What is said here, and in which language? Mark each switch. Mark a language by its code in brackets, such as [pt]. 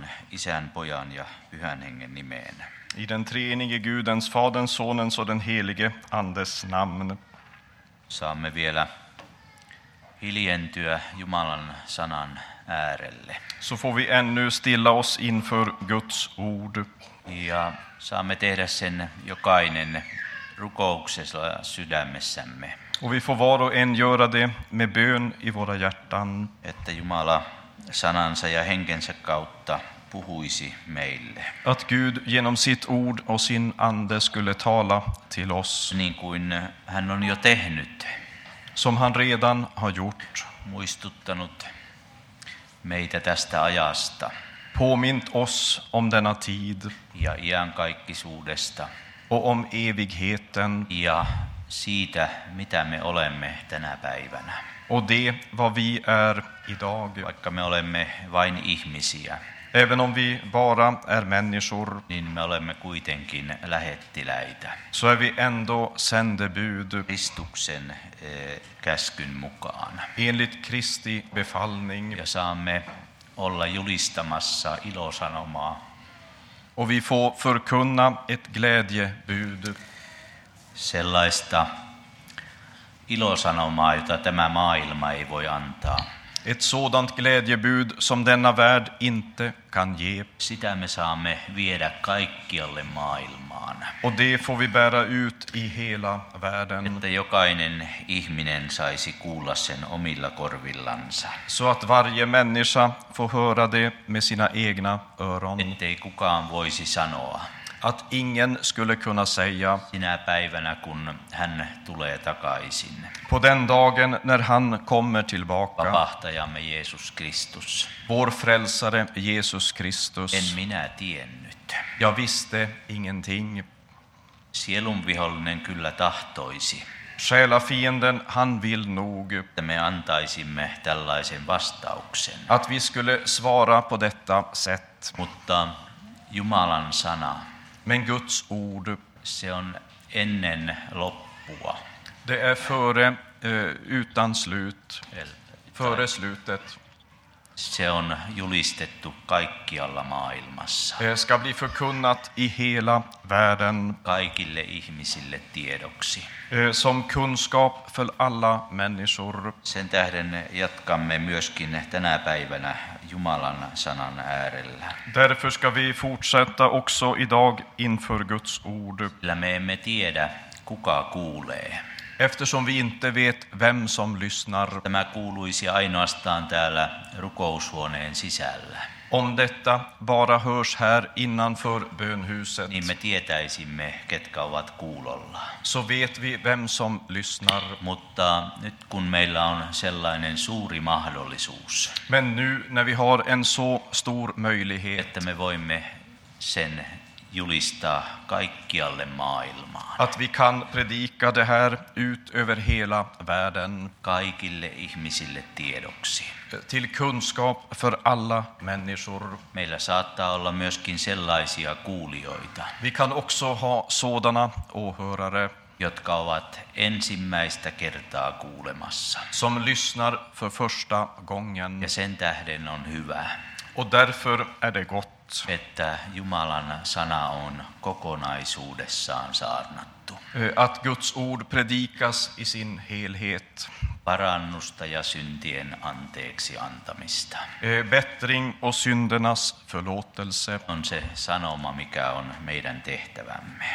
[fi] isän pojan ja pyhän hengen nimeen. [sv] I den treenige Gudens, Faderns, Sonens och den helige Andes namn. [fi] Saamme vielä hiljentyä Jumalan sanan äärelle. [sv] Så får vi ännu stilla oss inför Guds ord. [fi] Ja saamme tehdä sen jokainen rukouksessa sydämessämme. [sv] Och vi får var och en göra det med bön i våra hjärtan. [fi] Että Jumala sanansa ja henkensä kautta puhuisi meille. [sv] Att Gud genom sitt ord och sin ande skulle tala till oss. [fi] Niin kuin hän on jo tehnyt. [sv] Som han redan har gjort. [fi] Muistuttanut meitä tästä ajasta. [sv] Påmint oss om denna tid. [fi] Ja iankaikkisuudesta. [sv] Och om evigheten. [fi] Ja siitä, mitä me olemme tänä päivänä. [sv] Och det, vad vi är idag. [fi] Vaikka me olemme vain ihmisiä. [sv] Även om vi bara är människor, [fi] niin me olemme kuitenkin lähettiläitä. [sv] Så är vi ändå sändebud. [fi] Kristuksen käskyn mukaan. [sv] Enligt Kristi befallning. [fi] Ja saamme olla julistamassa ilosanomaa. [sv] Och vi får förkunna ett glädjebud. [fi] Sellaista ilosanomaa, jota tämä maailma ei voi antaa. [sv] Ett sådant glädjebud som denna värld inte kan ge. [fi] Sitä me saamme viedä kaikkialle maailmaan. [sv] Och det får vi bära ut i hela världen. [fi] Että jokainen ihminen saisi kuulla sen omilla korvillansa. [sv] Så att varje människa får höra det med sina egna öron. [fi] Ettei kukaan voisi sanoa. [sv] Att ingen skulle kunna säga [fi] sinä päivänä, kun hän tulee takaisin. [sv] På den dagen när han kommer tillbaka. [fi] Vapahtajamme Jesus Kristus. [sv] Vår frälsare Jesus Kristus. [fi] En minä tiennyt. [sv] Jag visste ingenting. [fi] Sielunvihollinen kyllä tahtoisi. [sv] Själafienden, han vill nog. [fi] Att me antaisimme tällaisen vastauksen. [sv] Att vi skulle svara på detta sätt. [fi] Mutta Jumalan sana. [sv] Men Guds ord, [fi] se on ennen loppua. [sv] Det är före utan slut, före slutet. [fi] Se on julistettu kaikkialla maailmassa. [sv] Det ska bli förkunnat i hela världen. [fi] Kaikille ihmisille tiedoksi. [sv] Som kunskap för alla människor. [fi] Sen tähden jatkamme myöskin tänä päivänä Jumalan sanan äärellä. [sv] Därför ska vi fortsätta också idag inför Guds ord. [fi] Sillä me emme tiedä, kuka kuulee. [sv] Eftersom vi inte vet vem som lyssnar. [fi] Tämä kuuluisi ainoastaan täällä rukoushuoneen sisällä. [sv] Om detta bara hörs här innanför bönhuset. [fi] Niin me tietäisimme, ketkä ovat kuulolla. [sv] Så vet vi vem som lyssnar. [fi] Mutta nyt kun meillä on sellainen suuri mahdollisuus. [sv] Men nu när vi har en så stor möjlighet. [fi] Että me voimme sen julistaa kaikkialle maailmaan. [sv] Att vi kan predika det här ut över hela världen. [fi] Kaikille ihmisille tiedoksi. [sv] Till kunskap för alla människor. [fi] Meillä saattaa olla myöskin sellaisia kuulijoita. [sv] Vi kan också ha sådana åhörare. [fi] Jotka ovat ensimmäistä kertaa kuulemassa. [sv] Som lyssnar för första gången. [fi] Ja sen tähden on hyvä. [sv] Och därför är det gott. [fi] Että Jumalan sana on kokonaisuudessaan saarnattu. [sv] Att Guds ord predikas i sin helhet. [fi] Parannusta ja syntien anteeksi antamista. [sv] Bättring och syndernas förlåtelse. [fi] On se sanoma, mikä on meidän tehtävämme.